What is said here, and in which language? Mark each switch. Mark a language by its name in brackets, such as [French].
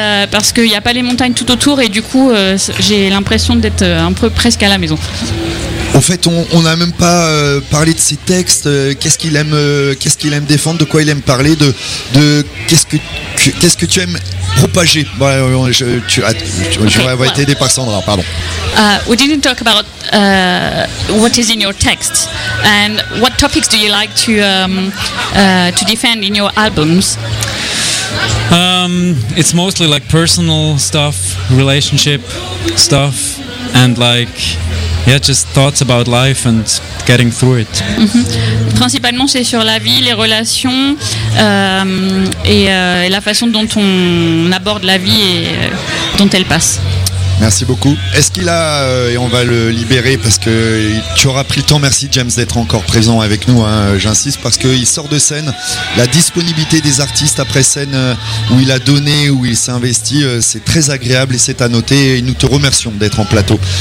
[French] Parce qu'il n'y a pas les montagnes tout autour, et du coup, j'ai l'impression d'être un peu presque à la maison. En fait, on n'a même pas parlé de ses textes. Qu'est-ce qu'il aime défendre, de quoi il aime parler, de qu'est-ce que tu aimes propager? J'aurais été aidé par Sandra, pardon. [English] We didn't talk about what is in your text and what topics do you like to defend in your albums. It's mostly like personal stuff, relationship stuff, and like. Yeah, just thoughts about life and getting through it. Mm-hmm. [French] Principalement, c'est sur la vie, les relations et la façon dont on aborde la vie et dont elle passe. Merci beaucoup. Est-ce qu'il a, et on va le libérer parce que tu auras pris le temps, merci James d'être encore présent avec nous, hein, j'insiste, parce qu'il sort de scène, la disponibilité des artistes après scène où il a donné, où il s'est investi, c'est très agréable et c'est à noter et nous te remercions d'être en plateau.